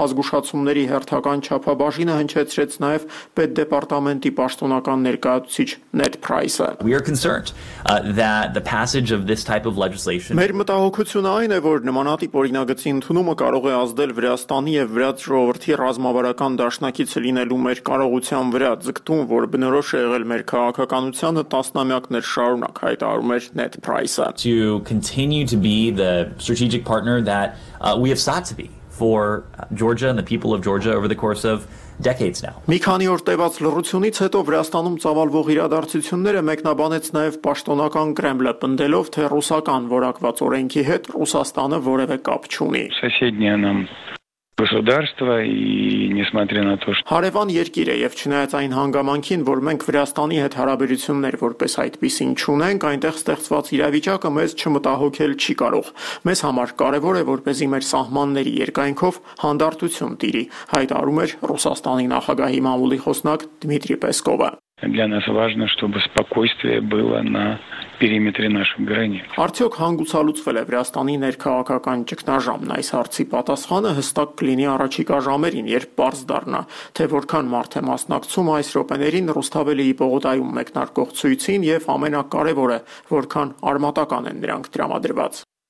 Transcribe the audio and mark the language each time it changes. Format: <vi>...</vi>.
<hy>զգուշացումների հերթական չափաբաժինը հնչեցրեց նաև պետ դեպարտամենտի պաշտոնական ներկայացուցիչ Նեդ Փրայսը։ Մեր մտահոգությունը այն է, որ նմանատիպ օրինագծի ընդունումը կարող է ազդել Վրաստանի և Վրաց ժողովրդի ռազմավարական դաշնակից լինելու մեր կարողության վրա, ձգտում, որ բնորոշ է եղել մեր քաղաքականությանը տասնամյակներ շարունակ, հայտարարում էր Նեդ Փրայսը։</hy> <en>To continue to be the strategic partner that we have sought to be for Georgia and the people of Georgia over the course of decades now.</en> <hy>Մի քանի օր տևած լռությունից հետո Վրաստանում ծավալվող իրադարձությունները մեկնաբանեց նաև պաշտոնական Կրեմլը, պնդելով, թե ռուսական որակված օրենքի հետ Ռուսաստանը որևէ կապ չունի։</hy> <ru>Государство и несмотря на то, что</ru> <hy>Հարևան երկիր է, եւ չնայած այն հանգամանքին, որ մենք Վրաստանի հետ հարաբերություններ որպես այդպիսին չունենք, այնտեղ ստեղծված իրավիճակը մեզ չմտահոգել չի կարող։ Մեզ համար կարևոր է, որպեսզի մեր սահմանների երկայնքով հանդարտություն տիրի, հայտարարում էր Ռուսաստանի նախագահի մամուլի խոսնակ Դմիտրի Պեսկովը։</hy> <ru>Для нас важно, чтобы спокойствие было на периметре наших границ.</ru> <hy>Արդյոք հանգուցալուծվել է Վրաստանի ներքաղաքական ճգնաժամն? Այս հարցի պատասխանը հստակ կլինի առաջիկա ժամերին, երբ պարզ դառնա, թե որքան մարդ է մասնակցում այս րոպեներին Ռուսթավելիի պողոտայում մեկնարկող ցույցին և ամենակարևորը, որքան արմատական են նրանք տրամադրված։</hy>